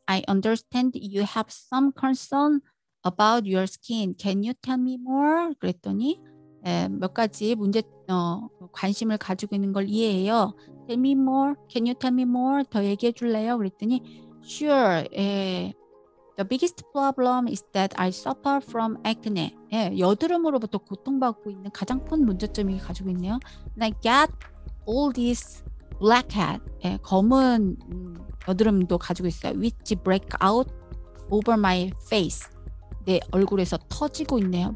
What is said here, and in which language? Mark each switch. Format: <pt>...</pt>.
<en>I understand you have some concern about your skin. Can you tell me more?</en> <ko>그랬더니 몇 가지 문제 관심을 가지고 있는 걸 이해해요.</ko> <en>Tell me more. Can you tell me more?</en> <ko>더 얘기해 줄래요? 그랬더니</ko> <en>sure. 예. The biggest problem is that I suffer from acne.</en> <ko>예, 여드름으로부터 고통받고 있는 가장 큰 문제점이 가지고 있네요.</ko> <en>And I get all these blackheads.</en> <ko>예, 검은 여드름도 가지고 있어요.</ko> <en>Which break out over my face.</en> <ko>내 얼굴에서 터지고 있네요.</ko>